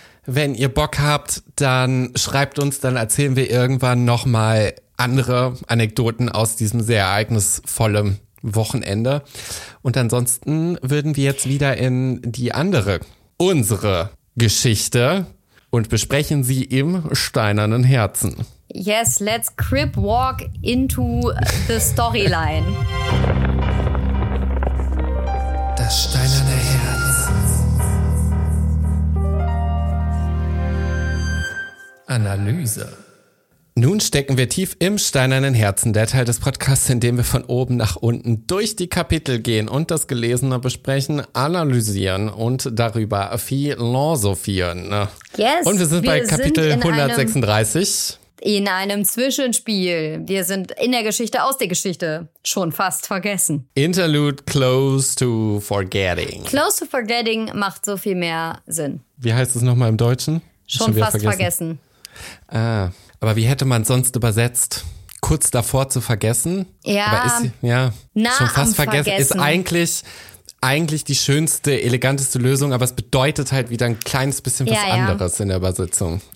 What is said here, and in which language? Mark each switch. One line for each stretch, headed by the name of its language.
German: Wenn ihr Bock habt, dann schreibt uns, dann erzählen wir irgendwann nochmal andere Anekdoten aus diesem sehr ereignisvollen Wochenende. Und ansonsten würden wir jetzt wieder in die andere, unsere Geschichte und besprechen sie im steinernen Herzen.
English: Yes, let's crip walk into the storyline.
German: Das steinerne Herz. Analyse. Nun stecken wir tief im steinernen Herzen, der Teil des Podcasts, in dem wir von oben nach unten durch die Kapitel gehen und das Gelesene besprechen, analysieren und darüber philosophieren.
English: Yes,
German: und wir sind bei Kapitel 136. In einem Zwischenspiel. Wir sind in der Geschichte aus der Geschichte. Schon fast vergessen.
English: Interlude Close to Forgetting.
German: Close to Forgetting macht so viel mehr Sinn. Wie heißt es nochmal im Deutschen? Schon fast vergessen. Ah, aber wie hätte man sonst übersetzt? Kurz davor zu vergessen? Ja, aber ist, ja nah schon fast am vergessen. Ist eigentlich die schönste, eleganteste Lösung, aber es bedeutet halt wieder ein kleines bisschen was anderes in der Übersetzung.